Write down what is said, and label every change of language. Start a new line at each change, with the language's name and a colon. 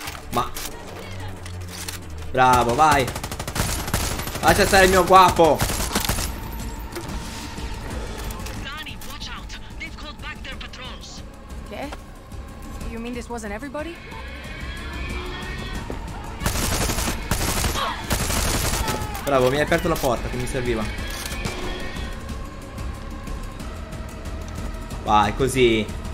Italian: Ma... Bravo, vai! Lascia stare il mio guapo!
English: Danny, watch out! They've called back their patrols!
Italian: Che?
English: You mean this wasn't everybody?
Italian: Bravo, mi hai aperto la porta che mi serviva. Vai, così.